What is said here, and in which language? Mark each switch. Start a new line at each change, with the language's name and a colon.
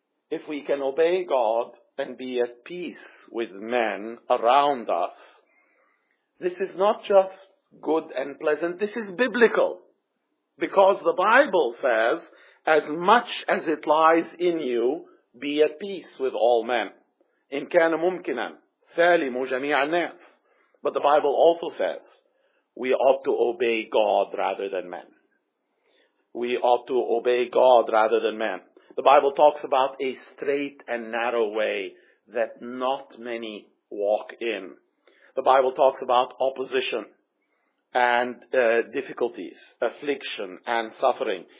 English: If we can obey God and be at peace with men around us, this is not just good and pleasant, this is biblical. Because the Bible says, as much as it lies in you, be at peace with all men.
Arabic: إن كان ممكنا سالموا جميع الناس.
English: But the Bible also says, we ought to obey God rather than men. We ought to obey God rather than men. The Bible talks about a straight and narrow way that not many walk in. The Bible talks about opposition and difficulties, affliction and suffering.